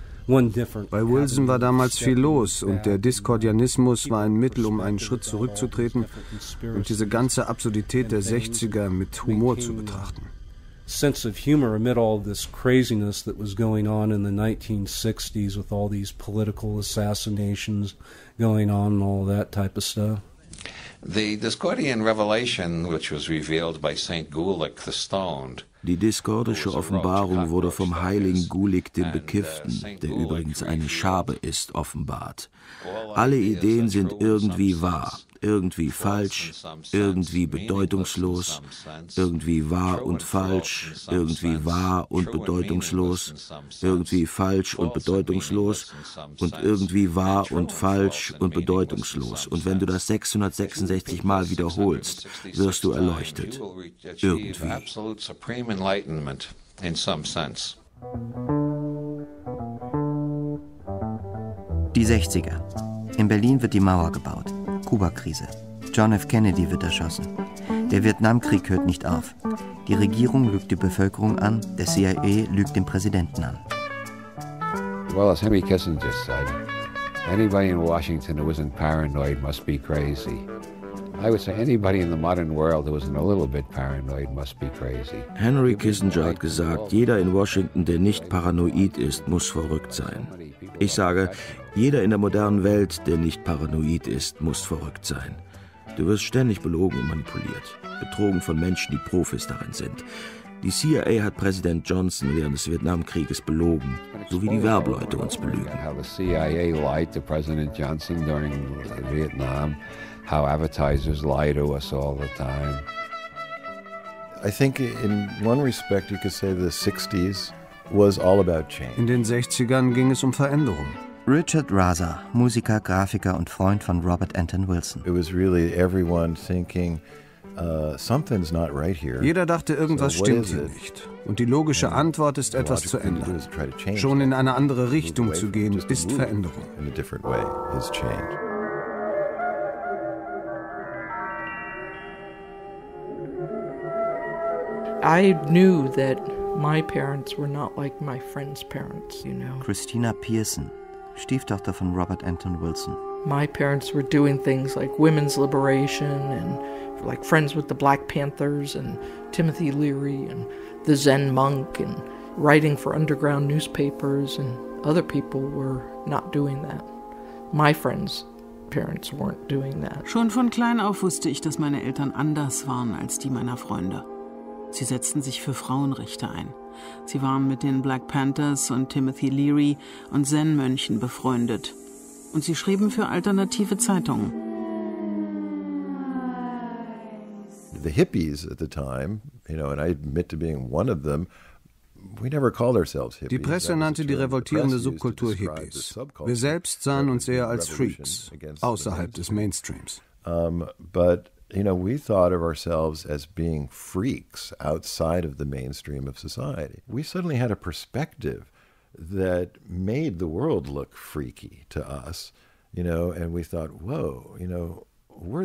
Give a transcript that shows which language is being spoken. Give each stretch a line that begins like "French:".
German: Bei Wilson war damals viel los und der Diskordianismus war ein Mittel, um einen Schritt zurückzutreten und diese ganze Absurdität der 60er mit Humor zu betrachten.
English: Sense of humor amid all this craziness that was going on in the 1960s with all these political assassinations going on and all that type of stuff. The Discordian revelation, which was revealed by Saint Gulick the Stoned.
German: Die diskordische Offenbarung wurde vom heiligen Gulick dem Bekifften, der übrigens eine Schabe ist, offenbart. Alle Ideen sind irgendwie wahr, irgendwie falsch, irgendwie bedeutungslos, irgendwie wahr und falsch, irgendwie wahr und bedeutungslos, irgendwie falsch und bedeutungslos und irgendwie wahr und falsch und bedeutungslos. Und wenn du das 666 Mal wiederholst, wirst du erleuchtet. Irgendwie.
English: Enlightenment in some sense.
German: Die 60er. In Berlin wird die Mauer gebaut. Kuba-Krise. John F. Kennedy wird erschossen. Der Vietnamkrieg hört nicht auf. Die Regierung lügt die Bevölkerung an, der CIA lügt den Präsidenten an.
English: Well, as Henry Kissinger said, anybody in Washington who isn't paranoid must be crazy. I would say anybody in the modern world who isn't a little bit paranoid must be crazy.
German: Henry Kissinger hat gesagt, jeder in Washington, der nicht paranoid ist, muss verrückt sein. Ich sage, jeder in der modernen Welt, der nicht paranoid ist, muss verrückt sein. Du wirst ständig belogen und manipuliert, betrogen von Menschen, die Profis darin sind. Die CIA hat Präsident Johnson während des Vietnamkrieges belogen, so wie die Werbeleute uns belügen.
English: How the CIA lied to President Johnson during Vietnam. How advertisers lie to us all the time. I think in one respect you could say the 60s was all about change.
German: In den 60ern ging es um Veränderung. Richard Raza, Musiker, Grafiker und Freund von Robert Anton Wilson.
English: It was really everyone thinking something's not right here.
German: Jeder dachte, irgendwas stimmt hier nicht. Und die logische Antwort ist, etwas zu ändern. Schon in eine andere Richtung zu gehen, ist Veränderung.
English: In a different way is change. I knew that my parents were not like my friends' parents, you know.
German: Christina Pearson, Stieftochter von Robert Anton Wilson.
English: My parents were doing things like women's liberation and like friends with the Black Panthers and Timothy Leary and the Zen monk and writing for underground newspapers, and other people were not doing that. My friends' parents weren't doing that.
German: Schon von klein auf wusste ich, dass meine Eltern anders waren als die meiner Freunde. Sie setzten sich für Frauenrechte ein. Sie waren mit den Black Panthers und Timothy Leary und Zen-Mönchen befreundet. Und sie schrieben für alternative Zeitungen.
English: The hippies at the time, you know, and I admit to being one of them. We never called ourselves hippies.
German: Die Presse nannte die revoltierende Subkultur Hippies. Wir selbst sahen uns eher als Freaks außerhalb des Mainstreams.
English: You know, we thought of ourselves as being freaks outside of the mainstream of society. We suddenly had a perspective that made the world look freaky to us, you know, and we thought, whoa, you know, we're